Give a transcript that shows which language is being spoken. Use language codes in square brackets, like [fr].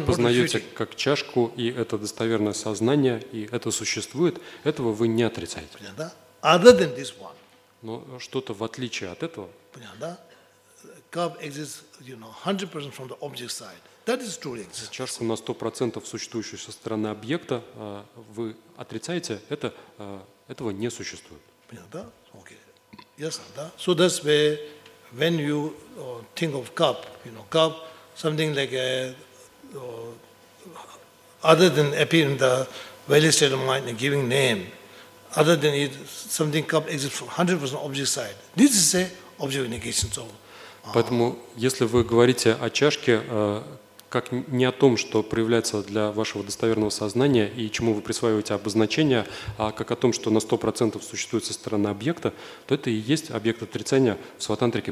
[ru] ее познаете как чашку, и это достоверное сознание, и это существует. Этого вы не отрицаете. Понятно? [en] Other than this one. [ru] Но что-то в отличие от этого. Понятно? [en] Cup exists, you know, 100% from the object side. That is truly existing. [ru] Чашку на 100% существующую со стороны объекта вы отрицаете, это этого не существует. Понятно? Okay. Yes, да. [en] So that's where when you think of cup, you know, cup, something like other than appearing the valid state of mind and giving name, other than it, something cup exists from 100% object side. This is a object negation. So, [ru] поэтому, если вы говорите о чашке как не о том, что проявляется для вашего достоверного сознания и чему вы присваиваете обозначение, а как о том, что на 100% существует со стороны объекта, то это и есть объект отрицания в Сватантрике